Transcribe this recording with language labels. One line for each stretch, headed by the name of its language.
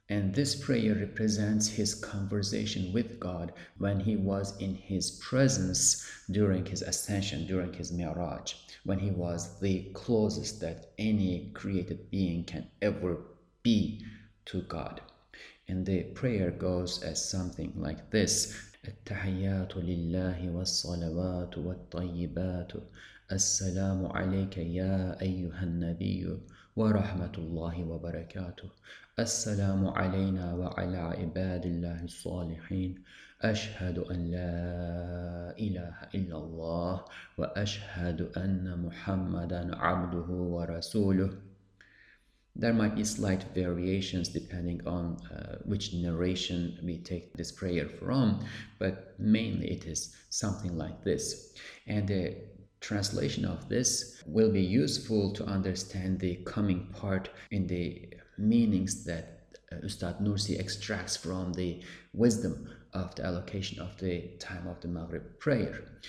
English: And this prayer represents his conversation with God when he was in his presence during his ascension, during his mi'raj, when he was the closest that any created being can ever be to God. And the prayer goes as something like this.
Arabic: التحيات لله والصلوات والطيبات السلام عليك يا أيها النبي ورحمة الله وبركاته السلام علينا وعلى عباد الله الصالحين أشهد أن لا إله إلا الله وأشهد أن محمدا عبده ورسوله.
English: There might be slight variations depending on which narration we take this prayer from, but mainly it is something like this. And the translation of this will be useful to understand the coming part in the meanings that Ustad Nursi extracts from the wisdom of the allocation of the time of the Maghrib prayer.